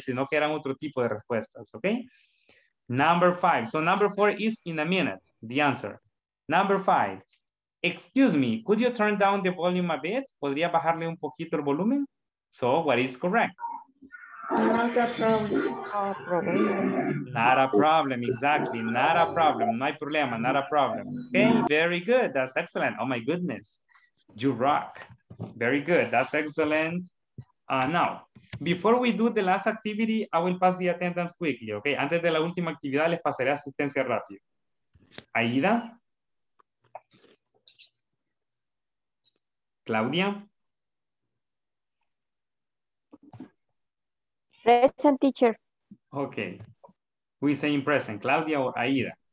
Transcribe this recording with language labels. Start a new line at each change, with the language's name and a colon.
Spanish: Sino que eran otro tipo de respuestas, okay?
English: Number five, so number four is in a minute, the answer. Number five, excuse me, could you turn down the volume a bit?
Spanish: ¿Podría bajarle un poquito el volumen?
English: So what is correct? Not a problem. Exactly. Not a problem.
Spanish: No hay problema.
English: Not a problem. Okay. Very good. That's excellent. Oh my goodness. You rock. Very good. That's excellent. Now, before we do the last activity, I will pass the attendance quickly. Okay.
Spanish: Antes de la última actividad, les pasaré asistencia rápido. Aida. Claudia.
English: Present, teacher. Okay. We say in present, Claudia or Aida.